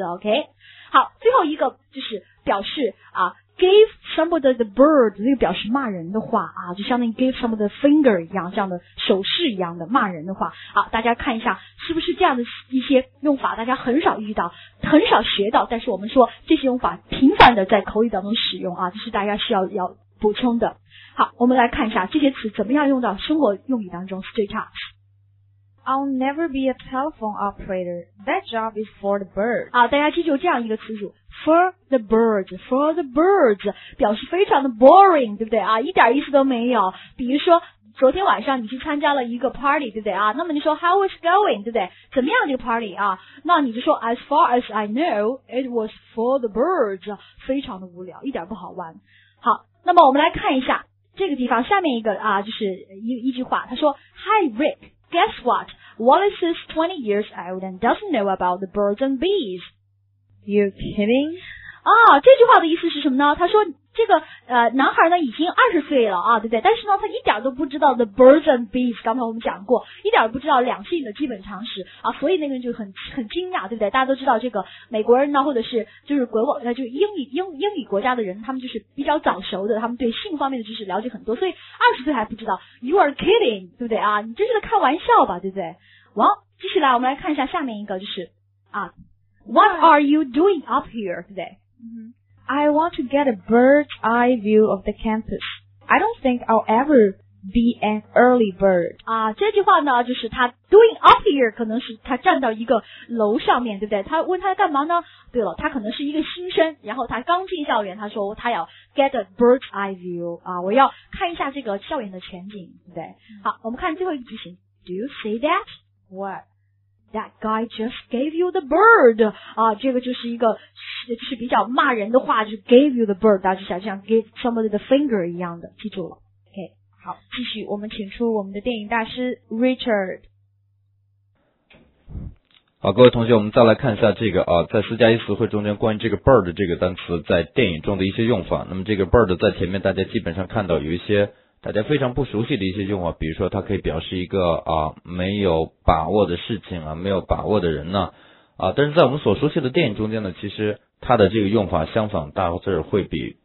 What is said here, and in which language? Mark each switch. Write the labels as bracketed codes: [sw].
[zh] OK， 好，最后一个就是表示啊 [en] give somebody the bird， [zh] 这个表示骂人的话啊，就相当于 [en] give somebody the finger [zh] 一样，这样的手势一样的骂人的话。好，大家看一下是不是这样的一些用法，大家很少遇到，很少学到，但是我们说这些用法频繁的在口语当中使用啊，这是大家需要补充的。好，我们来看一下这些词怎么样用到生活用语当中 straight up。 [en] I'll never be a telephone operator. That job is for the birds. [zh] 啊，大家记住这样一个词组 ， [en] for the birds, for the birds， [zh] 表示非常的 boring， 对不对啊？一点意思都没有。比如说，昨天晚上你去参加了一个 party， 对不对啊？那么你说 [en] how was going， [zh] 对不对？怎么样这个 party 啊？那你就说 [en] as far as I know, it was for the birds， [zh] 非常的无聊，一点不好玩。好，那么我们来看一下这个地方下面一个啊，就是一句话，他说 [en] Hi Rick。 Guess what? Wallace is 20 years old and doesn't know about the birds and bees. You kidding? [zh] 啊，这句话的意思是什么呢？他说这个男孩呢已经20岁了啊，对不对？但是呢，他一点都不知道 [en] the birds and bees。 [zh] 刚才我们讲过，一点不知道两性的基本常识啊，所以那个人就很惊讶，对不对？大家都知道这个美国人呢，或者是就是就英语国家的人，他们就是比较早熟的，他们对性方面的知识了解很多，所以20岁还不知道。 [en] You are kidding， [zh] 对不对啊？你真是在开玩笑吧，对不对？完，继续来，我们来看一下下面一个，就是啊 ， [en] What are you doing up here？ [zh] 对不对？ [en] I want to get a bird's eye view of the campus. I don't think I'll ever be an early bird. [zh] 啊，这句话呢，就是他 [en] doing up here， [zh] 可能是他站到一个楼上面，对不对？他问他干嘛呢？对了，他可能是一个新生，然后他刚进校园，他说他要 [en] get a bird's eye view， [zh] 啊，我要看一下这个校园的全景，对不对？好，我们看最后一个句型。 [en] Do you see that? What? That guy just gave you the bird [zh] 啊，这个就是一个就是比较骂人的话，就是 [en] gave you the bird， [zh] 大家就想像 [en] give somebody the finger [zh] 一样的，记住了。 [en] OK， [zh] 好，继续，我们请出我们的电影大师 Richard。好，各位同学，我们再来看一下这个啊，在四加一词汇中间关于这个 bird 这个单词在电影中的一些用法。那么这个 bird 在前面大家基本上看到有一些。大家非常不熟悉的一些用法，比如说它可以表示一个啊没有把握的事情啊，没有把握的人呢啊，但是在我们所熟悉的电影中间呢，其实它的这个用法相反倒是会比